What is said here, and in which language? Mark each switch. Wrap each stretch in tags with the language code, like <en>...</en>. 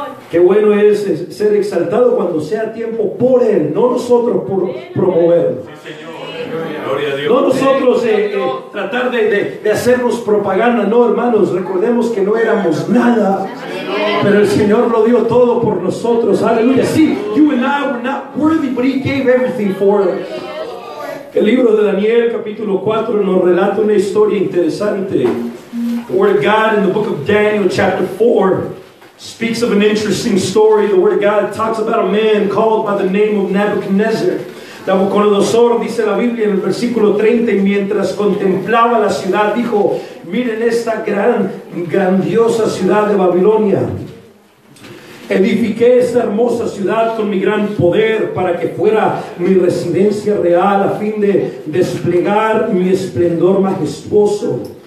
<es>Qué bueno es ser exaltado cuando sea tiempo por Él, no nosotros por promoverlo. Sí, Señor. Gloria a Dios. No nosotros tratar de hacernos propaganda, no, hermanos, recordemos que no éramos nada. Pero el Señor lo dio todo por nosotros. Aleluya.</es> <en>Sí, you and I were not worthy, but He gave everything for us.</en> <es>El libro de Daniel, capítulo 4, nos relata una historia interesante.</es> <en>The Word of God in the book of Daniel, chapter 4, speaks of an interesting story. The Word of God talks about a man called by the name of Nebuchadnezzar.</en> <es>Nabucodonosor, dice la Biblia en el versículo 30, y mientras contemplaba la ciudad, dijo, miren esta gran, grandiosa ciudad de Babilonia. Edifiqué esta hermosa ciudad con mi gran poder para que fuera mi residencia real a fin de desplegar mi esplendor majestuoso.</es>